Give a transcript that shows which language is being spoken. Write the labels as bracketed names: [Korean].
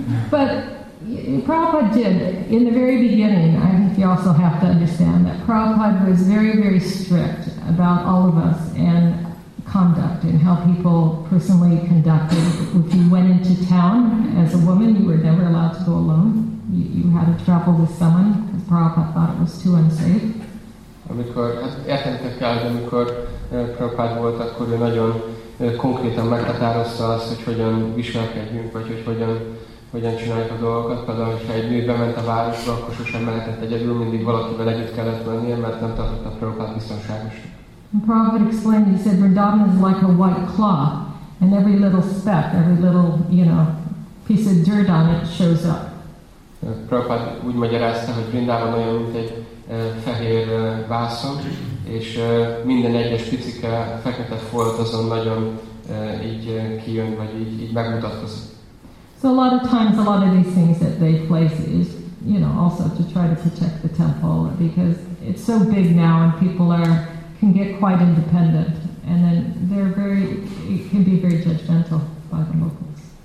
[English] But Prabhupada did, in the very beginning, I think you also have to understand that Prabhupada was very, very strict about all of us and conduct and how people personally conducted. If you went into town as a woman, you were never allowed to go alone. You had to travel with someone because Prabhupada thought it was too unsafe. [Hungarian] Amikor, hát értettek el, de amikor Prabhupada volt, akkor ő nagyon konkrétan meghatározta azt, hogy hogyan viselkedjünk, vagy hogy hogyan csináljuk a dolgokat. Például, hogyha egy nő bement a városba, akkor sosem mehetett egyedül, mindig valakivel együtt kellett mennie, mert nem tartotta Prabhupada biztonságosnak. [English] Prabhupada explained, he said, Vrindavan is like a white cloth, and every little speck, every little, you know, piece of dirt on it shows up. [Hungarian] Prabhupada úgy magyarázta, hogy Vrindavan olyan, mint egy fehér vászon, és minden egyes picike fekete folt azon nagyon így kijön, vagy így megmutatkozik. [English] So a lot of times, a lot of these things that they place is, you know, also to try to protect the temple, because it's so big now and people are, can get quite independent, and then they're very, it can be very judgmental by the locals.